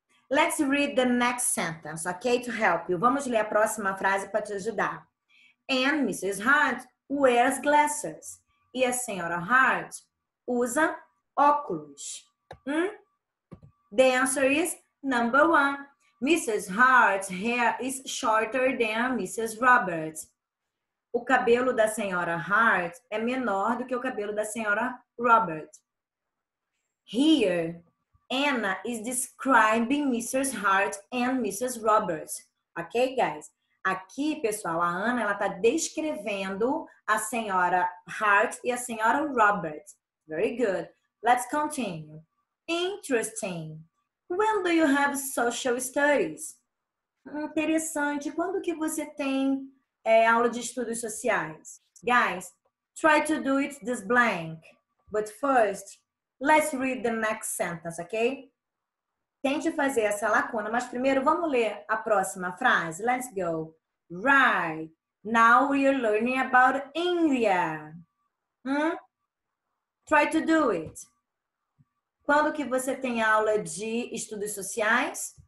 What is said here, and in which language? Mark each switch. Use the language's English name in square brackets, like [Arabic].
[English] Let's read the next sentence, okay, to help you. [Portuguese] Vamos ler a próxima frase para te ajudar. [English] And Mrs. Hart wears glasses. [Portuguese] E a senhora Hart usa óculos. [English] Hmm? The answer is number one. Mrs. Hart's hair is shorter than Mrs. Roberts. [Portuguese] O cabelo da senhora Hart é menor do que o cabelo da senhora Roberts. [English] Here, Anna is describing Mrs. Hart and Mrs. Roberts. Ok, guys? [Portuguese] Aqui, pessoal, a Anna, ela tá descrevendo a senhora Hart e a senhora Roberts. [English] Very good. Let's continue. Interesting. When do you have social studies? [Portuguese] Interessante. Quando que você tem aula de estudos sociais? [English] Guys, try to do it this blank. But first, let's read the next sentence, ok? [Portuguese] Tente fazer essa lacuna, mas primeiro vamos ler a próxima frase. [English] Let's go. Right. Now we are learning about India. Hmm? Try to do it. [Portuguese] Quando que você tem aula de estudos sociais?